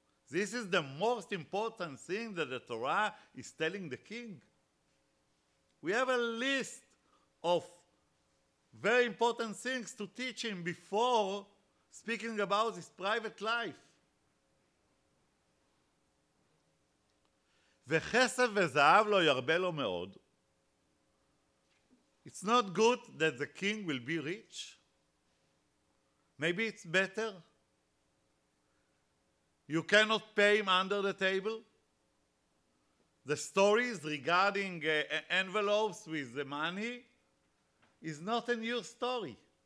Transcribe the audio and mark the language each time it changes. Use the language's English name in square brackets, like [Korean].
[English] This is the most important thing that the Torah is telling the king. We have a list of very important things to teach him before speaking about his private life. [Hebrew] וחסב וזהב לא ירבה לו מאוד. [English] It's not good that the king will be rich. Maybe it's better. You cannot pay him under the table. The stories regarding envelopes with the money is not a new story.